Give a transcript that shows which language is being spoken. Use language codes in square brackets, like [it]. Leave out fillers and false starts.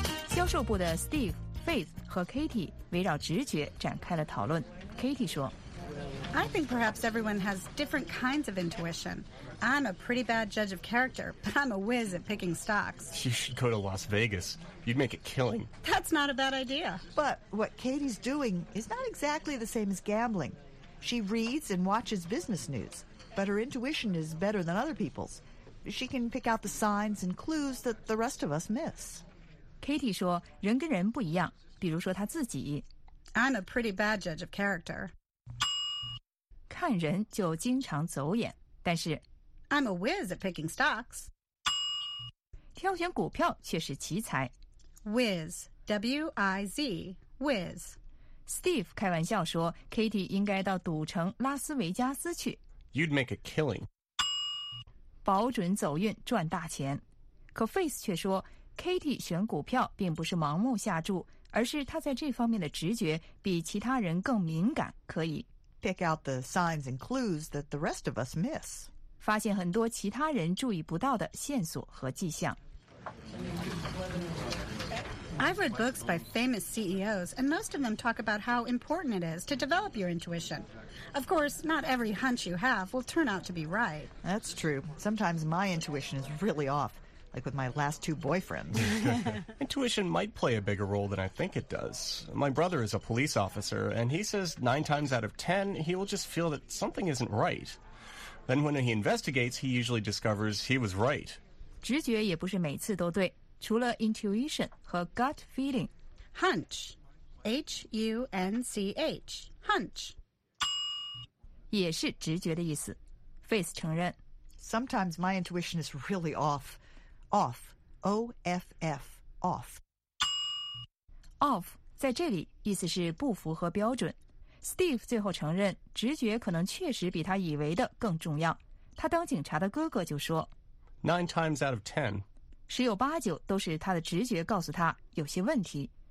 [zh] 销售部的 Steve, Faith 和 Katie 围绕直觉展开了讨论。 Katie 说， [en] I think perhaps everyone has different kinds of intuition. I'm a pretty bad judge of character, but I'm a whiz at picking stocks. You should go to Las Vegas. You'd make a killing. That's not a bad idea. But what Katie's doing is not exactly the same as gambling. She reads and watches business news, but her intuition is better than other people's. She can pick out the signs and clues that the rest of us miss. [zh] Katie 说，人跟人不一样，比如说她自己。 [en] I'm a pretty bad judge of character. [zh] 看人就经常走眼，但是 [en] I'm a whiz at picking stocks. [zh] 挑选股票却是奇才。 [en] Whiz, W-I-Z, whiz. [zh] Steve 开玩笑说 ，Katie 应该到赌城拉斯维加斯去。 [en] You'd make a killing. [zh] 保准走运赚大钱。可 Face 却说 ，Katie 选股票并不是盲目下注，而是她在这方面的直觉比其他人更敏感，可以。 [en] Pick out the signs and clues that the rest of us miss. [zh] 发现很多其他人注意不到的线索和迹象。 [en] I've read books by famous CEOs, and most of them talk about how important it is to develop your intuition. Of course, not every hunch you have will turn out to be right. That's true. Sometimes my intuition is really off, like with my last two boyfriends. Intuition might play a bigger role than I think it does. My brother is a police officer, and he says 9 times out of 10, he will just feel that something isn't right. Then when he investigates, he usually discovers he was right. [zh] 直觉也不是每次都对，除了 intuition 和 gut feeling. [en] Hunch. H-U-N-C-H. Hunch. [zh] 也是直觉的意思。Face 承认。 [en] Sometimes my intuition is really off. Off, O-F-F, off. [zh] Off, 在这里意思是不符合标准。Steve 最后承认，直觉可能确实比他以为的更重要。他当警察的哥哥就说 [en] 9 times out of 10. [zh] 十有八九都是他的直觉告诉他有些问题。